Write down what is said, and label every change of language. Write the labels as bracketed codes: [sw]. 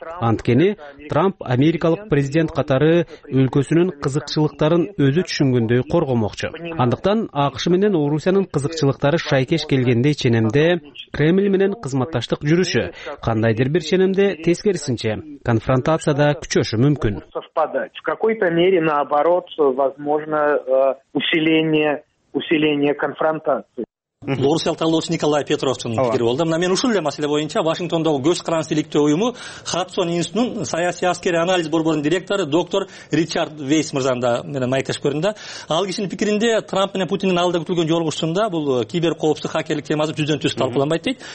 [ky] Анткени Трамп америкалык президент катары өлкөсүнүн кызыкчылыктарын өзү түшүнгөндөй коргомокчу. Андыктан АКШ менен Орусиянын кызыкчылыктары шайкеш келгенде ченемде Кремль менен кызматташтык жүрүшү, кандайдыр бир ченемде тескерисинче конфронтацияда күчөшү мүмкүн. [ru] В какой-то мере наоборот возможно усиление конфронтации. [ky] Орусиялык талдоочу Николай Петровчун пикири болду. Мына мен ушул эле маселе боюнча Вашингтондогу көз каранды иликтөө уюму Хадсон институтунун саясий аскерий анализ борборунун директору доктор Ричард Вейс мырзаны да менен маектешип көрдүм да. Ал кишинин пикиринде Трамп менен Путиндин алдыда күтүлгөн жолугушуусунда бул киберкоопсуздук хакерлик темасы түздөн түз талкууланбайт дейт.